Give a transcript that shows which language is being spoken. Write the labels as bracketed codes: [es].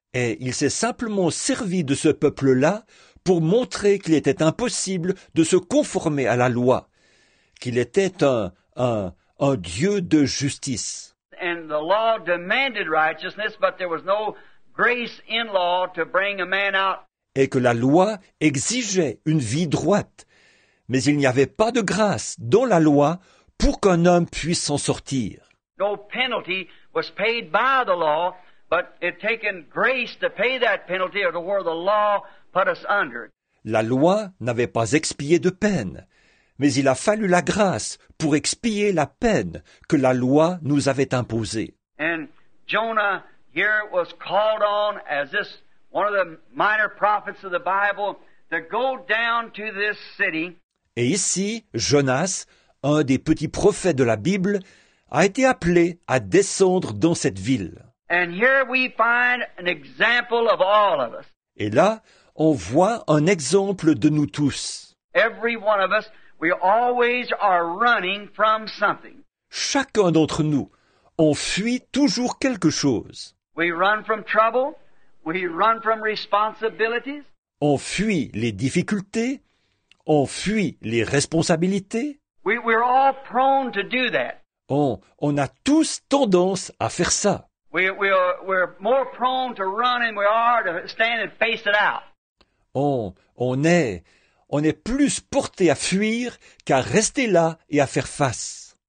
[fr] Et il s'est simplement servi de ce peuple-là pour montrer qu'il était impossible de se conformer à la loi, qu'il était un Dieu de justice. [en] And the law demanded righteousness, but there was no grace in law to bring a man out. [fr] Et que la loi exigeait une vie droite, mais il n'y avait pas de grâce dans la loi pour qu'un homme puisse s'en sortir. [en] No penalty was paid by the law, but it taken grace to pay that penalty or to where the law put us under. [fr] La loi n'avait pas expié de peine, mais il a fallu la grâce pour expier la peine que la loi nous avait imposée. [en] And Jonah here was called on as this one of the minor prophets of the Bible to go down to this city. [fr] Et ici, Jonas, un des petits prophètes de la Bible, a été appelé à descendre dans cette ville. [en] And here we find an example of all of us. [fr] Et là, on voit un exemple de nous tous. [en] Every one of us, we always are running from something. [fr] Chacun d'entre nous, on fuit toujours quelque chose. [en] We run from trouble, we run from responsibilities. [fr] On fuit les difficultés, on fuit les responsabilités. [en] We're all prone to do that. [fr] On a tous tendance à faire ça. [en] We're more prone to run than we are to stand and face it out. [fr] On est plus porté à fuir qu'à rester là et à faire face.